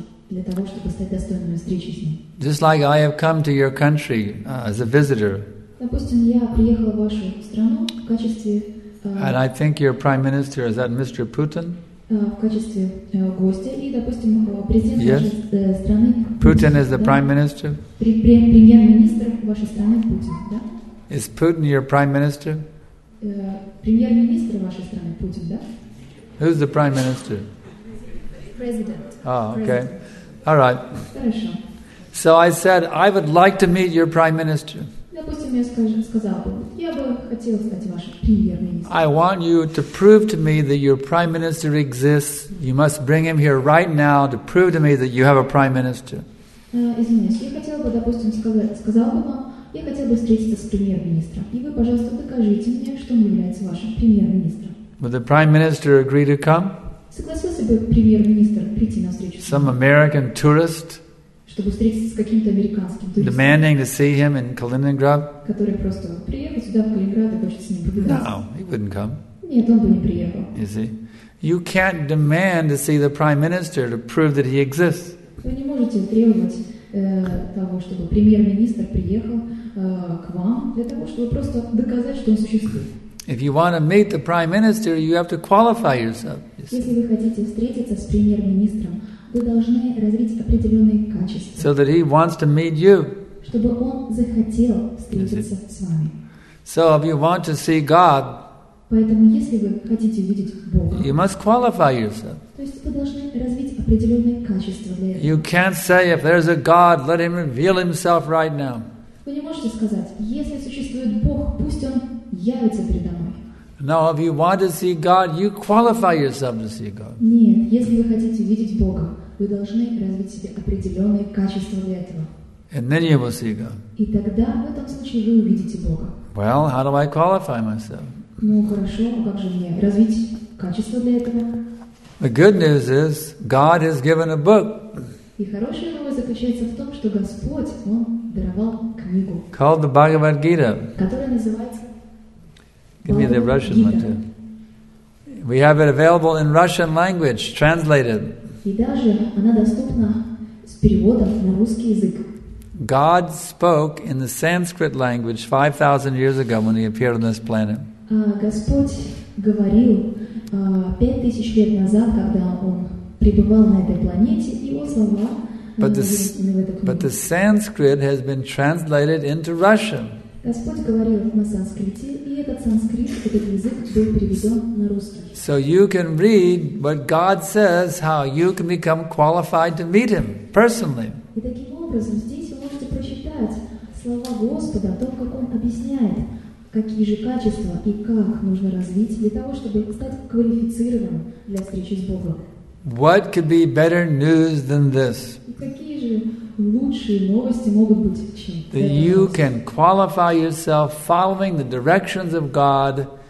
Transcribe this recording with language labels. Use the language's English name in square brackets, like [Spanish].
[Russian] Для того, чтобы стать достойным встречи с ним. [English] Just like I have come to your country as a visitor. [Russian] Допустим, я приехала в вашу страну в качестве. [English] And I think your prime minister is that Mr. Putin? [Russian] в качестве гостя и, допустим, президента вашей страны. [English] Putin is the prime minister. [Russian] Премьер-министр вашей страны Путин, да? [English] Is Putin your prime minister? [Russian] Премьер-министр вашей страны Путин, да? [English] Who's the prime minister? President. Oh, okay. All right. [Russian] Хорошо. [English] So I said, I would like to meet your prime minister. [Russian] Допустим, я бы хотел стать вашим премьер-министром. [English] I want you to prove to me that your prime minister exists. You must bring him here right now to prove to me that you have a prime minister. [Russian] Я хотел бы встретиться с премьер-министром. И вы, пожалуйста, докажите мне, что он является вашим премьер-министром. [English] Would the prime minister agree to come? [Russian] Согласился бы премьер-министр прийти на встречу? [English] Some American tourist? [Russian] Чтобы встретиться с каким-то американским туристом? [English] Demanding to see him in Kaliningrad? [Russian] Который просто приехал сюда, в Калининград, и хочет с ним поговорить? [English] No, he wouldn't come. [Russian] Нет, он бы не приехал. [English] You see? You can't demand to see the prime minister to prove that he exists. [Russian] Вы не можете требовать того, чтобы премьер-министр приехал к вам, для того, чтобы просто доказать, что он существует. [English] If you want to meet the prime minister, you have to qualify yourself. [Russian] Если вы хотите встретиться с премьер-министром, вы должны развить определенные качества. [English] So that he wants to meet you. [Russian] Чтобы он захотел встретиться с вами. [English] So if you want to see God, [Russian] поэтому если вы хотите видеть Бога, [English] you must qualify yourself. [Russian] То есть вы должны развить определенные качества для этого. [English] You can't say if there's a God, let him reveal himself right now. [Russian] Вы не можете сказать, если существует Бог, пусть он явится передо мной. [English] No, if you want to see God, you qualify yourself to see God. [Russian] Нет, если вы хотите видеть Бога, вы должны развить себе определенные качества для этого. [English] And then you will see God. [Russian] И тогда в этом случае вы увидите Бога. [English] Well, how do I qualify myself? [Russian] Ну хорошо, а как же мне развить качества для этого? [English] The good news is God has given a book. [Russian] И хорошая новость заключается в том, что Господь, он даровал книгу. [English] Called the Bhagavad Gita. [Russian] Которая называется. [English] Give me the Russian one too. We have it available in Russian language, translated. [Russian] И даже она доступна с переводом на русский язык. [English] God spoke in the Sanskrit language 5,000 years ago when he appeared on this planet. [Russian] Господь говорил 5,000 лет назад, когда он пребывал на этой планете, его слова. [English] But the Sanskrit has been translated into Russian. [Russian] Господь говорил на санскрите, и этот санскрит, этот язык был переведен на русский. [English] So you can read what God says, how you can become qualified to meet him personally. [Russian] И таким образом здесь вы можете прочитать слова Господа о том, как он объясняет, какие же качества и как нужно развить для того, чтобы стать квалифицированным для встречи с Богом. [English] What could be better news than this? [Russian] Какие же лучшие новости могут быть, чем это? [English] That you can qualify yourself following the directions of God.